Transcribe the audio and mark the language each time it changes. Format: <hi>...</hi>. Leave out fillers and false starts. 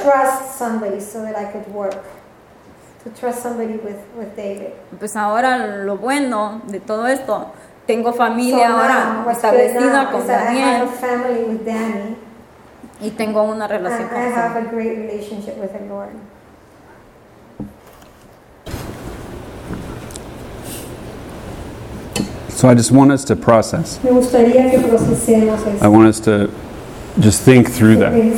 <en>To trust somebody so that I could work. To trust somebody with David.</en> <es>Pues ahora lo bueno de todo esto, tengo familia ahora establecida con Daniel.</es> <en>I have a family with Danny.</en> <es>Y tengo una relación con</es> <en>Daniel. I have a great relationship with the Lord. So I just want us to process.</en> <es>Me gustaría que procesemos eso.</es> <en>I want us to just think through that.</en>